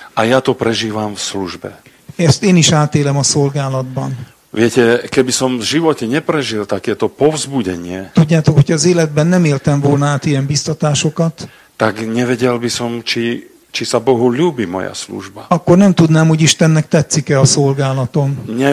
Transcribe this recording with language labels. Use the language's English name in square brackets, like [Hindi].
[Slovak] A ja to prežívam v službe. [Hungarian] Ezt én is átélem a szolgálatban. [Slovak] Viete, keby som v živote neprežil takéto povzbudenie. [Hungarian] Tudjátok, hogy az életben nem éltem volna át ilyen biztatásokat. [Slovak] Tak nevedel by som, či sa Bohu ľúbi moja služba. [Hungarian] Akkor nem tudnám, hogy Istennek tetszik-e a szolgálatom.